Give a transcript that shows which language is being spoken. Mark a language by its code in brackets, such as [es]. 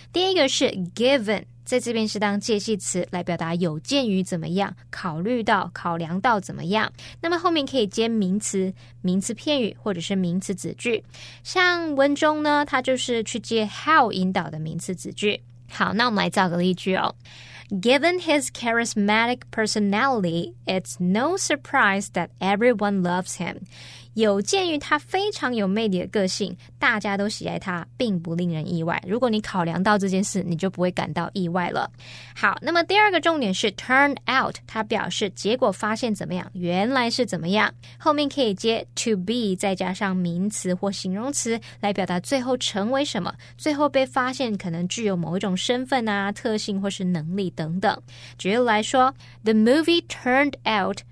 [zh] 第一个是 given， 在这边是当介系词来表达有鉴于怎么样、考虑到、考量到怎么样。那么后面可以接名词、名词片语或者是名词子句。像文中呢，它就是去接 how 引导的名词子句。好，那我们来造个例句哦。 [en] Given his charismatic personality, it's no surprise that everyone loves him. [zh] 有鉴于他非常有魅力的个性，大家都喜爱他，并不令人意外。如果你考量到这件事，你就不会感到意外了。好，那么第二个重点是 turn out， 它表示结果发现怎么样，原来是怎么样。后面可以接 to be， 再加上名词或形容词来表达最后成为什么，最后被发现可能具有某一种身份啊、特性或是能力等等。举例来说 ， [en] The movie turned out